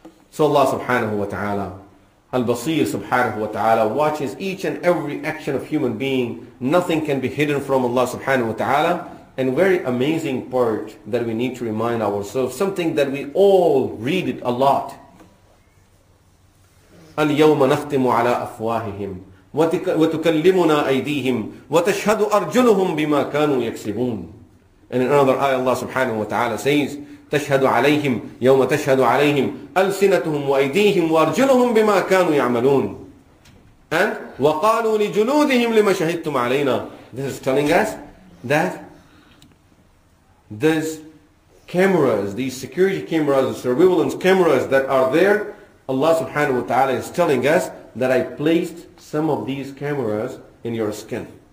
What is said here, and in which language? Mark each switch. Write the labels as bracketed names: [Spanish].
[English] So Allah subhanahu wa ta'ala, al-Basir subhanahu wa ta'ala, watches each and every action of human being. Nothing can be hidden from Allah subhanahu wa ta'ala. And very amazing part that we need to remind ourselves, something that we all read it a lot. [Arabic] الْيَوْمَ نَخْتِمُ عَلَىٰ أَفْوَاهِهِمْ وَتُكَلِّمُنَا أَيْدِيهِمْ وَتَشْهَدُ أَرْجُلُهُمْ بِمَا كَانُوا يَكْسِبُونَ. [English] And in another ayah, Allah subhanahu wa ta'ala says, [Arabic] تَشْهَدُ عَلَيْهِمْ يَوْمَ تَشْهَدُ عَلَيْهِمْ أَلْسِنَتُهُمْ وَأَيْدِيهِمْ وَأَرْجُلُهُمْ بِمَا كَانُوا يَعْمَلُونَ. [English] And [Arabic] وَقَالُوا لِجُلُودِهِمْ لِمَ شَهِدْتُمْ عَلَيْنَا. [English] This is telling us that these cameras, these security cameras, surveillance cameras that are there, Allah subhanahu wa ta'ala is telling us that I placed some of these cameras in your skin.